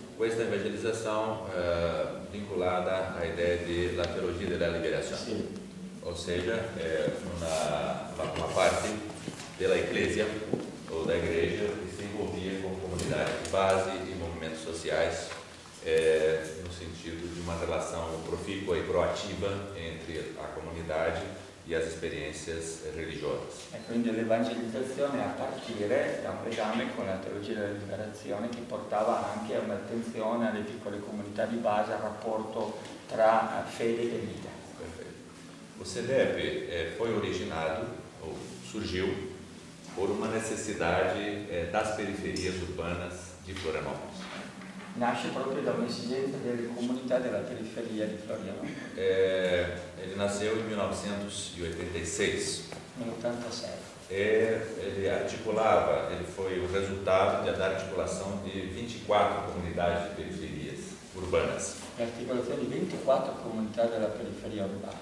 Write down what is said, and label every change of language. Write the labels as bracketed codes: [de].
[it] Questa evangelizzazione vinculata all'idea della teologia della liberazione. Sì. Ossia, è una parte della Iglesia o della Iglesia che si involvia con comunità di base e movimenti sociali. [pt] No sentido de uma relação profícua e proativa entre a comunidade e as experiências religiosas. [it] Quindi l'evangelizzazione a partire da un legame con la teologia della liberazione che portava anche a un'attenzione alle piccole comunità di base, al rapporto tra fede e vita. Perfetto. [pt] O CEDEP foi originado, ou surgiu, por uma necessidade das periferias urbanas de Florianópolis. [it] Nasce proprio da un'esigenza delle comunità della periferia di Florianópolis. [pt] Ele nasceu em 1986. Em 86. Ele articulava, ele foi o resultado da articulação de 24 comunidades de periferias urbanas. [it] L'articolazione di 24 comunità della periferia urbana.